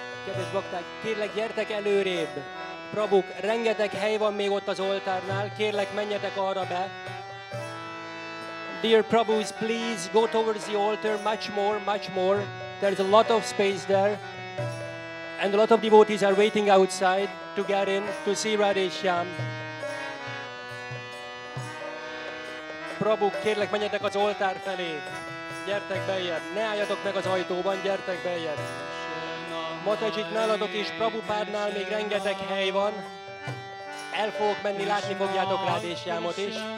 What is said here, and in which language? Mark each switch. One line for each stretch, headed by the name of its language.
Hungarian: Kedves bakták, kérlek, gyertek előrébb! Prabhuk, rengeteg hely van még ott az oltárnál, kérlek, menjetek arra be!
English: Dear Prabhus, please go towards the altar, much more, much more. There's a lot of space there. And a lot of devotees are waiting outside to get in, to see Radhesham.
Hungarian: Prabhu, kérlek, menjetek az oltár felé. Gyertek beljebb. Ne álljatok meg az ajtóban, gyertek beljebb. Matajit nálatok is, Prabhupádnál még rengeteg hely van. El fogok menni, látni fogjátok Radhesham-ot is.